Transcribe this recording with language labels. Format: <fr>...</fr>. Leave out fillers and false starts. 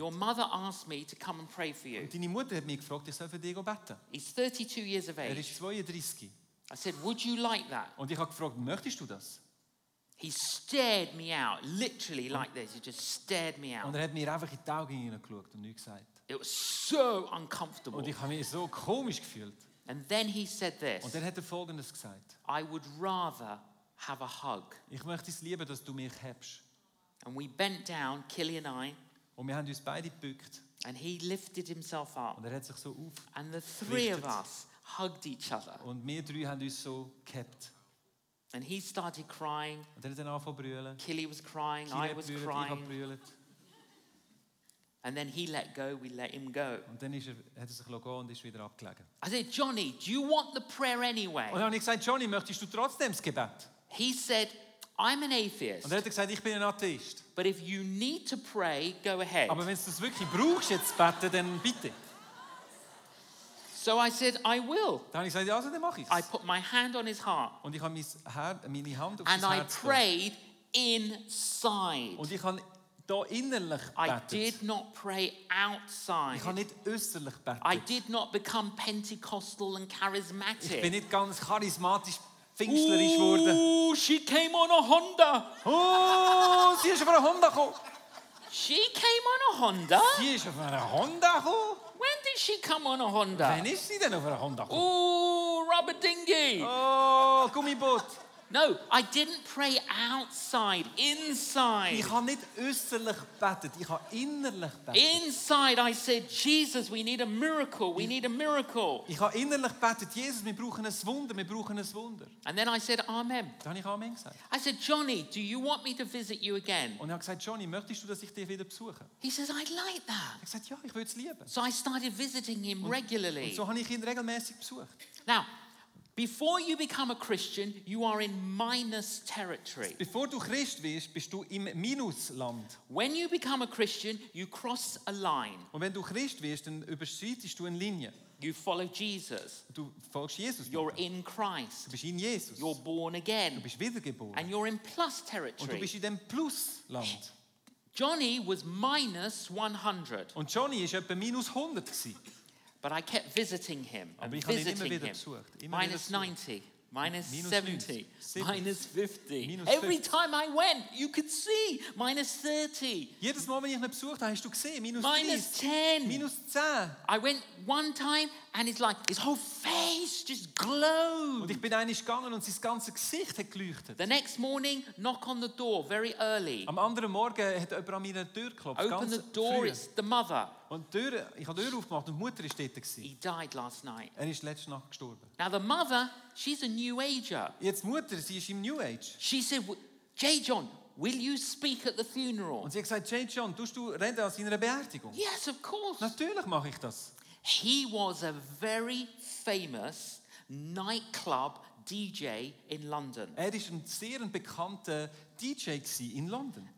<en>Your mother asked me to come and pray for you.</en> <de>Und deine Mutter hat mich gefragt, ich soll für dich beten.</de> <en>He's 32 years of age.</en> <de>Er ist 32.</de> <en>I said, would you like that?</en> <de>Und ich habe gefragt, möchtest du das?</de> <en>He stared me out, literally like this. He just stared me out.</en> <de>Und er hat mir einfach in die Augen hineingeschaut und nichts gesagt.</de> <en>It was so uncomfortable.</en> <de>Und ich habe mich so komisch gefühlt.</de> <en>And then he said this.</en> <de>Und dann hat er Folgendes gesagt.</de> <en>I would rather have a hug.</en> <de>Ich möchte es lieber, dass du mich hebst.</de> <en>And we bent down, Killy and I.</en> <de>Und wir haben uns beide gebückt.</de> <en>And he lifted himself up.</en> <de>Und er hat sich so aufgerichtet.</de> <en>And the three of us hugged each other.</en> <de>Und wir drei haben uns so gehabt.</de> <en>And he started crying.</en> <de>Und dann hat er angefangen zu brüllen.</de> <en>Killy was crying.</en> <de>Killy</de> <en>I was</en> <de>brüllt,</de> <en>crying.</en> <de>Ich habe brüllt.</de> <en>And then he let go, we let him go.</en> <de>Und dann hat er sich gelassen und ist wieder abgelegen.</de> <en>I said, Johnny, do you want the prayer anyway?</en> <de>Und dann habe ich gesagt, Johnny, möchtest du trotzdem das Gebet?</de> <en>He said, I'm an atheist.</en> <de>Und er hat gesagt, ich bin ein Atheist.</de> <en>But if you need to pray, go ahead.</en> <de>Aber wenn du es wirklich brauchst, jetzt zu beten, dann bitte.</de> <en>So I said, I will.</en> <de>Dann habe ich gesagt, ja, dann mache ich es.</de> <en>I put my hand on his heart.</en> <de>Und ich habe meine Hand auf</de> <en>and</en> <de>sein Herz gelegt.</de> <en>And I prayed inside.</en> <de>Und ich habe innerlich</de> <en>I did not pray outside.</en> <de>Ich habe nicht äußerlich betet.</de> <en>I did not become Pentecostal and charismatic.</en> <de>Ich bin nicht ganz charismatisch, pfingstlerisch geworden.</de> <en>Oh, she came on a Honda.</en> <de>Oh, sie ist auf einer Honda gekommen.</de> <en>She came on a Honda?</en> <de>Sie ist auf einer Honda gekommen.</de> <en>When did she come on a Honda?</en> <de>Wann ist sie denn auf einer Honda gekommen?</de> <en>Oh, rubber dinghy.</en> <de>Oh, Gummiboot.</de> <en>No, I didn't pray outside, inside.</en> <de>Ich habe nicht äußerlich betet, ich habe innerlich betet.</de> <en>Inside I said, Jesus, we need a miracle, we need a miracle.</en> <de>Ich habe innerlich betet, Jesus, wir brauchen ein Wunder, wir brauchen ein Wunder.</de> <en>And then I said, Amen.</en> <de>Dann habe ich Amen gesagt.</de> <en>I said, Johnny, do you want me to visit you again?</en> <de>Und er hat gesagt, Johnny, möchtest du, dass ich dich wieder besuche?</de> <en>He says, I'd like that.</en> <de>Er hat gesagt, ja, ich würde es lieben.</de> <en>So I started visiting him regularly.</en> <de>Und so habe ich ihn regelmäßig besucht.</de> <en>Now, before you become a Christian, you are in minus territory.</en> <de>Bevor du Christ wirst, bist du im Minusland.</de> <en>When you become a Christian, you cross a line.</en> <de>Und wenn du Christ wirst, dann überschreitest du eine Linie.</de> <en>You follow Jesus.</en> <de>Du folgst Jesus.</de> <en>You're in Christ.</en> <de>Du bist in Jesus.</de> <en>You're born again.</en> <de>Du bist wiedergeboren.</de> <en>And you're in plus territory.</en> <de>Und du bist in dem Plusland.</de> <en>Johnny was minus 100.</en> <de>Und Johnny ist etwa minus 100 gewesen.</de> <en>But I kept visiting him and minus 90, minus 70, minus 50. Every time I went, you could see minus 30, minus 10. I went one time and it's like his whole face just glowed.</en> <de>Und ich bin einmal gegangen und sein ganzes Gesicht hat geleuchtet.</de> <en>The next morning, knock on the door, very early.</en> <de>Am anderen Morgen hat jemand an meiner Tür geklopft.</de> <en>Open the door,</en> <de>früh.</de> <en>It's the mother.</en> <de>Und Tür, ich habe die Tür aufgemacht und die Mutter ist dort gewesen.</de> <en>He died last night.</en> <de>Er ist letzte Nacht gestorben.</de> <en>Now the mother, she's a New Ager.</en> <de>Jetzt Mutter, sie ist im New Age.</de> <en>She said, Jay John, will you speak at the funeral?</en> <de>Und sie hat gesagt, Jay John, tust du reden an seiner Beerdigung?</de> <en>Yes, of course.</en> <de>Natürlich mache ich das.</de> <en>He was a very famous nightclub DJ in London.</en> <de>Er ist ein sehr bekannter DJ in London.</de>